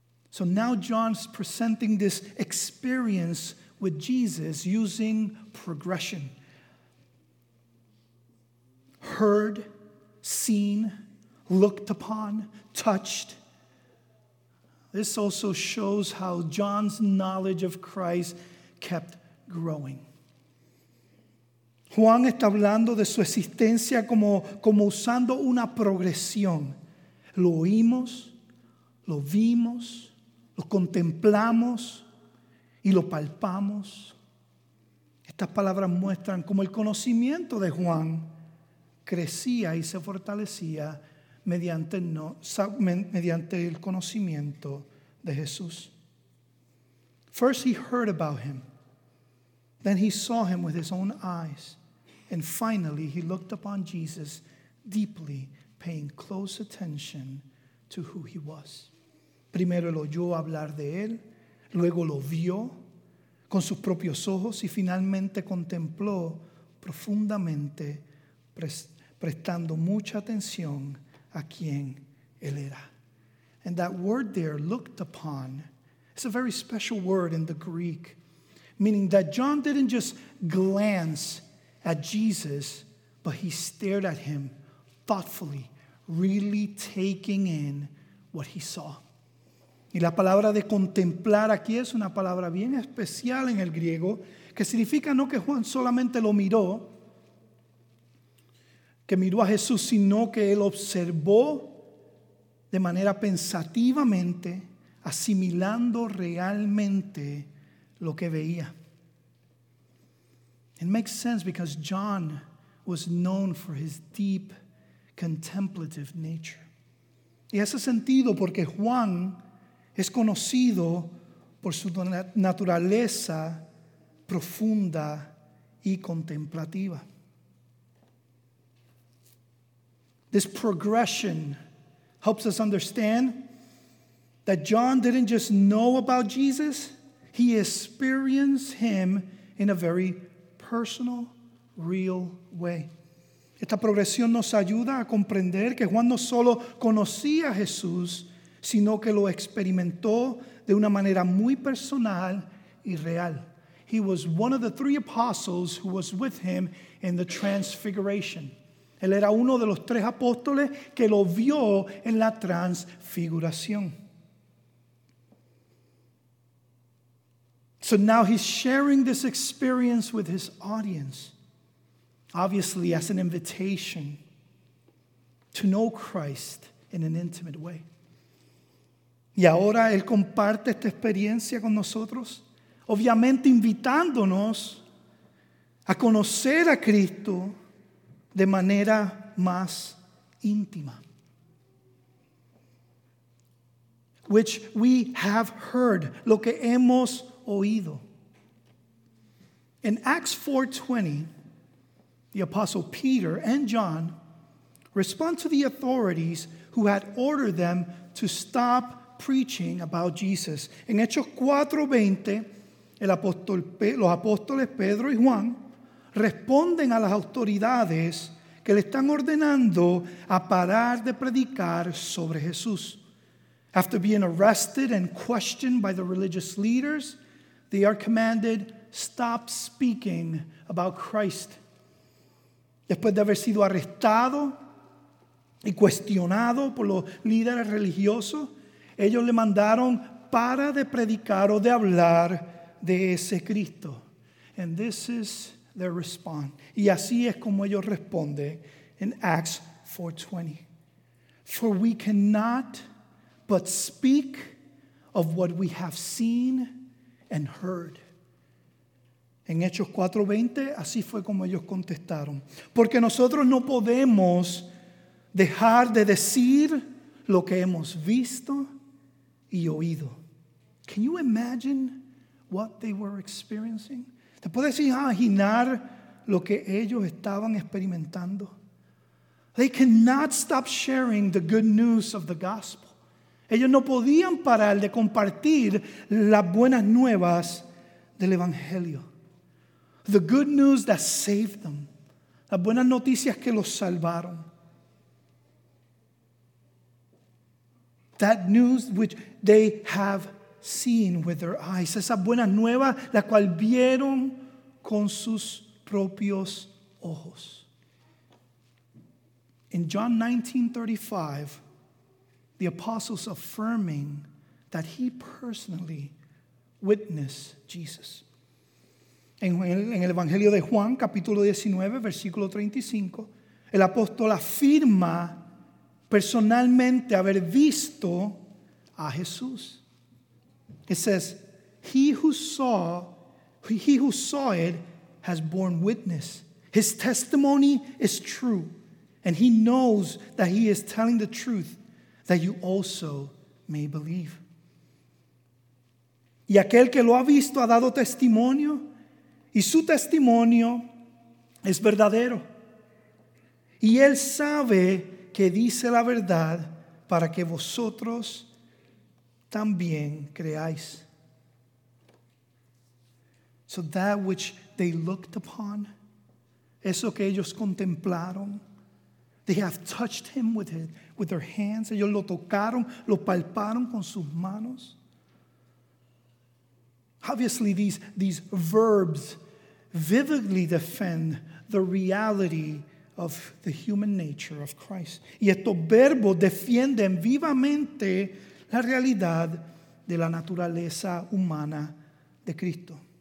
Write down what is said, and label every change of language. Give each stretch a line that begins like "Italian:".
English: So now John's presenting this experience with Jesus using progression. Heard, seen, looked upon, touched. This also shows how John's knowledge of Christ kept growing.
Spanish: Juan está hablando de su existencia como usando una progresión. Lo oímos, lo vimos, lo contemplamos y lo palpamos. Estas palabras muestran cómo el conocimiento de Juan crecía y se fortalecía mediante el conocimiento de Jesús.
English: First he heard about him, then he saw him with his own eyes, and finally he looked upon Jesus deeply, paying close attention to who he was.
Spanish: Primero lo oyó hablar de él, luego lo vio con sus propios ojos y finalmente contempló profundamente, prestando mucha atención a quien él era.
English: And that word there, looked upon, it's a very special word in the Greek, meaning that John didn't just glance at Jesus, but he stared at him thoughtfully, really taking in what he saw.
Spanish: Y la palabra de contemplar aquí es una palabra bien especial en el griego, que significa no que Juan solamente lo miró, que miró a Jesús, sino que él observó de manera pensativamente, asimilando realmente lo que veía.
English: It makes sense because John was known for his deep contemplative nature.
Spanish: Y hace sentido porque Juan es conocido por su naturaleza profunda y contemplativa.
English: This progression helps us understand that John didn't just know about Jesus, he experienced him in a very personal, real way.
Spanish: Esta progresión nos ayuda a comprender que Juan no solo conocía a Jesús, sino que lo experimentó de una manera muy personal y real.
English: He was one of the three apostles who was with him in the Transfiguration.
Spanish: Él era uno de los tres apóstoles que lo vio en la transfiguración.
English: So now he's sharing this experience with his audience, obviously as an invitation to know Christ in an intimate way.
Spanish: Y ahora él comparte esta experiencia con nosotros, obviamente invitándonos a conocer a Cristo de manera más íntima.
English: Which we have heard,
Spanish: lo que hemos oído.
English: In Acts 4:20, the Apostle Peter and John respond to the authorities who had ordered them to stop preaching about Jesus.
Spanish: En Hechos 4:20, los apóstoles Pedro y Juan responden a las autoridades que le están ordenando a parar de predicar sobre Jesús.
English: After being arrested and questioned by the religious leaders, they are commanded, stop speaking about Christ.
Spanish: Después de haber sido arrestado y cuestionado por los líderes religiosos, ellos le mandaron, para de predicar o de hablar de ese Cristo.
English: And this is their response.
Spanish: Y así es como ellos responden
English: in Acts 4:20. For we cannot but speak of what we have seen and heard.
Spanish: En Hechos 4:20, así fue como ellos contestaron. Porque nosotros no podemos dejar de decir lo que hemos visto y oído.
English: Can you imagine what they were experiencing?
Spanish: ¿Te puedes imaginar lo que ellos estaban experimentando?
English: They cannot stop sharing the good news of the gospel.
Spanish: Ellos no podían parar de compartir las buenas nuevas del Evangelio.
English: The good news that saved them.
Spanish: Las buenas noticias que los salvaron.
English: That news which they have seen with their eyes.
Spanish: Esas buenas nuevas la cual vieron con sus propios ojos.
English: In John 19:35, the apostles affirming that he personally witnessed Jesus.
Spanish: En el Evangelio de Juan, capítulo 19, versículo 35, el apóstol afirma personalmente haber visto a Jesús.
English: It says, he who saw it has borne witness. His testimony is true, and he knows that he is telling the truth, that you also may believe.
Spanish: Y aquel que lo ha visto ha dado testimonio, y su testimonio es verdadero. Y él sabe que dice la verdad para que vosotros también creáis.
English: So that which they looked upon,
Spanish: eso que ellos contemplaron,
English: they have touched him with their hands.
Spanish: Ellos lo tocaron, lo palparon con sus manos.
English: Obviously, these verbs vividly defend the reality of the human nature of Christ.
Spanish: Y estos verbos defienden vivamente la realidad de la naturaleza humana de Cristo.